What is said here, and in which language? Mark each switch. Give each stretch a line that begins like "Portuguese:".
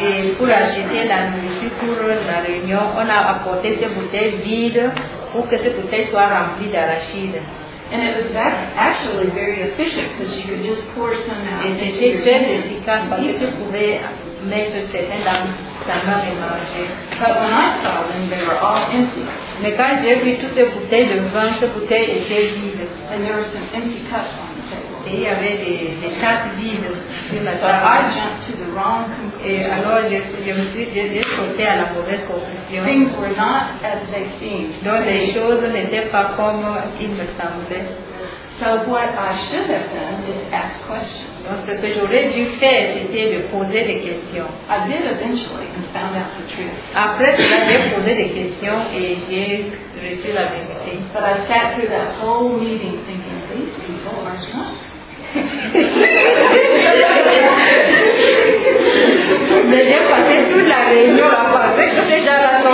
English: out.
French: Et pour acheter la nourriture pour la réunion, on a apporté ces bouteilles vides pour que ces bouteilles soient remplies d'arachides.
English: And it was actually very efficient because you could just pour some out into your peanuts.
French: Et c'était très efficace parce que tu pouvais mettre certains dans ta main et manger.
English: But when I saw them, they were all empty.
French: Mais quand j'ai vu toutes ces bouteilles de vin, ces bouteilles étaient vides.
English: And there were some empty cups.
French: Et il y avait des tasses vides sur la table. Et alors je sauté à la mauvaise conclusion.
English: Things were not as they seemed.
French: Donc les choses n'étaient pas comme il me semblait.
English: So what I should have done is ask questions.
French: Donc ce que j'aurais dû faire, c'était de poser des questions.
English: I did eventually and found out the truth.
French: Après, j'ai posé des questions et j'ai reçu la vérité.
English: But I sat through that whole meeting thinking, these people are not.
French: Mais j'ai passé toute la réunion à penser que ces gens-là sont